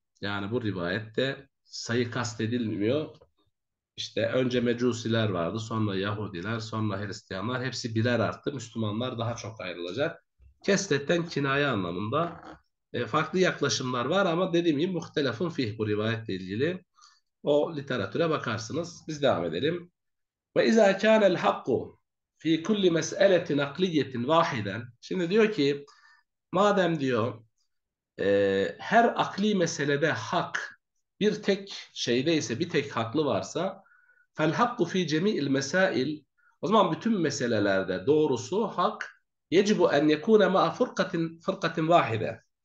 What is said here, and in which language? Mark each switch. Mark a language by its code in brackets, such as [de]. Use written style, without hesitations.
[tr] Yani bu rivayette sayı kastedilmiyor. İşte önce Mecusiler vardı, sonra Yahudiler, sonra Hristiyanlar. Hepsi birer arttı. Müslümanlar daha çok ayrılacak. Kesretten kinaye anlamında farklı yaklaşımlar var ama dediğim gibi muhtelafun fih bu rivayetle ilgili. O literatüre bakarsınız. Biz devam edelim. [ar] وإذا كان الحق في كل مسألة نقلية واحدا. [tr] Şimdi diyor ki, madem diyor her akli meselede hak bir tek şeyde ise, bir tek haklı varsa, [ar] fel hakku fi cemi'il mesail, [tr] o zaman bütün meselelerde doğrusu hak, [ar] yecibu en yekune ma furkatin furkatin vahide.